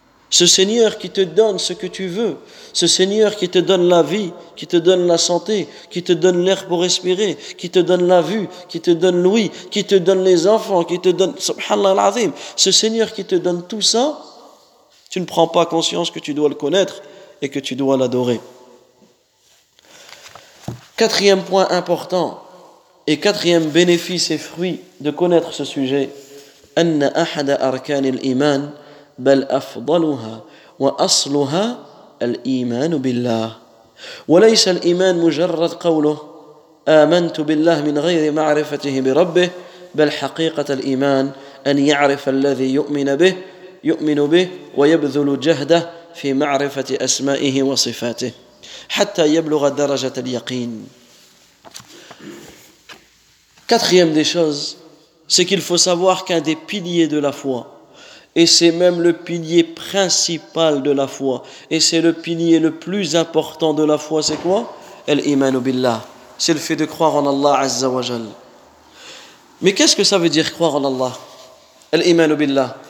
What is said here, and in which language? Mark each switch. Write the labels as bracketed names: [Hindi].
[French] Ce Seigneur qui te donne ce que tu veux, ce Seigneur qui te donne la vie, qui te donne la santé, qui te donne l'air pour respirer, qui te donne la vue, qui te donne l'ouïe, qui te donne les enfants, qui te donne, subhanallah al-azim, ce Seigneur qui te donne tout ça, tu ne prends pas conscience que tu dois le connaître et que tu dois l'adorer. Quatrième point important et quatrième bénéfice et fruit de connaître ce sujet, [Arabic] أن أحد أركان الإيمان بل أفضلها وأصلها الإيمان بالله وليس الإيمان مجرد قوله آمنت بالله من غير معرفته بربه بل حقيقة الإيمان أن يعرف الذي يؤمن به ويبذل جهده في معرفة أسمائه وصفاته حتى يبلغ درجة اليقين. [French] Quatrième des choses, c'est qu'il faut savoir qu'un des piliers de la foi, et c'est même le pilier principal de la foi, et c'est le pilier le plus important de la foi, c'est quoi ? Al-Iman billah. C'est le fait de croire en Allah Azza wa Jal. Mais qu'est-ce que ça veut dire croire en Allah ? Al-Iman billah.